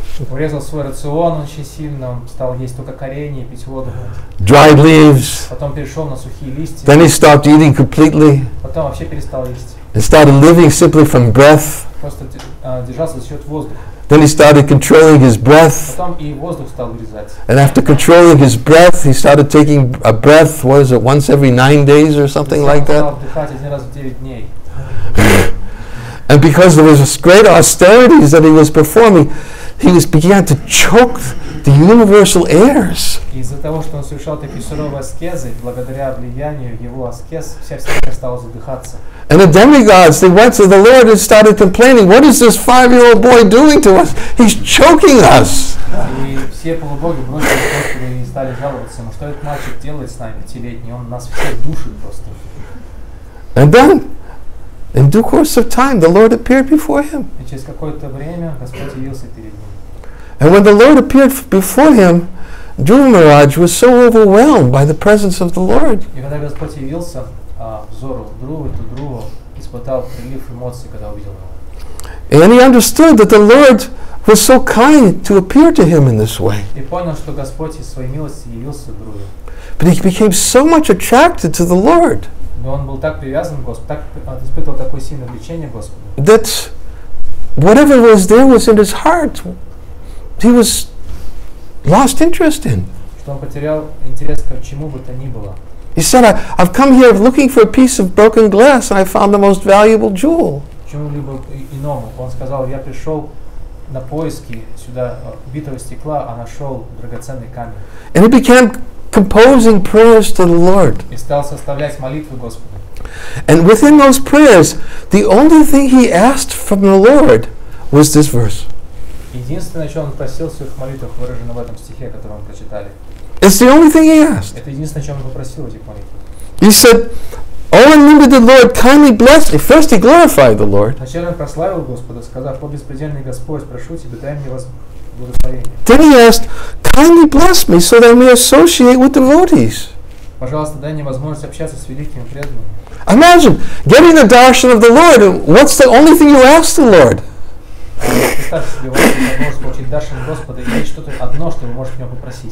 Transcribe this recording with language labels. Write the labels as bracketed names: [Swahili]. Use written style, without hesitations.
[Russian] урезал свой рацион очень сильно, стал есть только коренья, пить воду. [English] Dried leaves. [Russian] Потом перешел на сухие листья. [English] Then he stopped eating completely. [Russian] Потом вообще перестал есть. [English] And started living simply from breath. [Russian] Просто держался за счет воздуха. [English] Then he started controlling his breath. [Russian] Потом и воздух стал вырезать. [English] And after controlling his breath, he started taking a breath, what is it, once every 9 days or something like that? [Russian] Стал вдыхать один раз в 9 дней. [English] And because there was great austerities that he was performing, he was began to choke the universal airs. [Russian] Из-за того, что он совершал такие суровые аскезы, благодаря влиянию его аскез, вся вселенная стала задыхаться. [English] And the demigods, they went to the Lord and started complaining, what is this 5-year-old boy doing to us? He's choking us. [Russian] И все полубоги бросили Господу и стали жаловаться, но что этот мальчик делает с нами, 5-летний, он нас все душит просто. [English] And then, in due course of time, the Lord appeared before him. [Russian] И через какое-то время Господь явился перед ним. [English] And when the Lord appeared before him, Dhruva Maharaj was so overwhelmed by the presence of the Lord. [Russian] И когда Господь явился взору Друвы, то Друва испытал прилив эмоций, когда увидел его. [English] And he understood that the Lord was so kind to appear to him in this way. [Russian] И понял, что Господь из своей милости явился Друве. [English] But he became so much attracted to the Lord. [Russian] Но он был так привязан к Господу, так испытывал такое сильное влечение к Господу. [English] That whatever was there was in his heart, he was lost interest in. [Russian] Что он потерял интерес к чему бы то ни было. [English] He said, I've come here looking for a piece of broken glass and I found the most valuable jewel. [Russian] Чему-либо иному. Он сказал, я пришел на поиски сюда битого стекла, а нашел драгоценный камень. [English] And he became composing prayers to the Lord. [Russian] И стал составлять молитвы Господу. [English] And within those prayers, the only thing he asked from the Lord was this verse. [Russian] Единственное, что он просил в своих молитвах, выражено в этом стихе, который мы прочитали. [English] It's the only thing he asked. [Russian] Это единственное, чем он попросил этих молитв. [English] He said, "All I needed the Lord kindly bless." First, he glorified the Lord. [Russian] Сначала он прославил Господа, сказав: "О беспредельный Господь, прошу тебя, дай мне вас благословение." [English] Then he asked, "Kindly bless me, so that I may associate with devotees." [Russian] Пожалуйста, дай мне возможность общаться с великими преданными. [English] Imagine getting the darshan of the Lord. What's the only thing you ask the Lord? [Russian] Представьте себе, вы можете получить даршан Господа, и есть что-то одно, что вы можете у него попросить.